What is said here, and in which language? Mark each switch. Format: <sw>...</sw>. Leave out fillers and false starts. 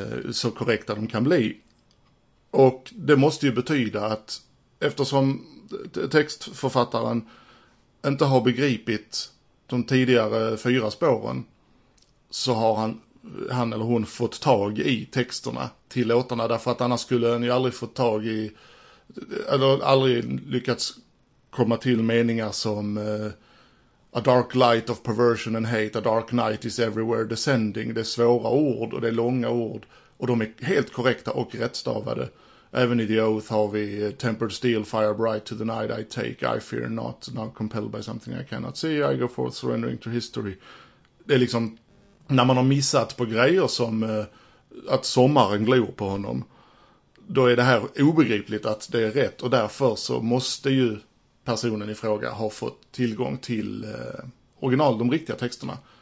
<sv>Så korrekta de kan bli. Och det måste ju betyda att eftersom textförfattaren inte har begripit de tidigare fyra spåren, så har han eller hon fått tag i texterna till låtarna, därför att annars skulle han ju aldrig fått tag i, eller aldrig lyckats komma till meningar som</sv> <en>a dark light of perversion and hate, a dark night is everywhere descending.</en> <sv>Det är svåra ord och det är långa ord, och de är helt korrekta och rättstavade. Även i The Oath har vi</sv> <en>tempered steel, fire bright to the night I take, I fear not, now compelled by something I cannot see, I go forth surrendering to history.</en> <sv>Det är liksom när man har missat på grejer som att sommaren glor på honom, då är det här obegripligt att det är rätt, och därför så måste ju personen i fråga ha fått tillgång till original, de riktiga texterna.</sv>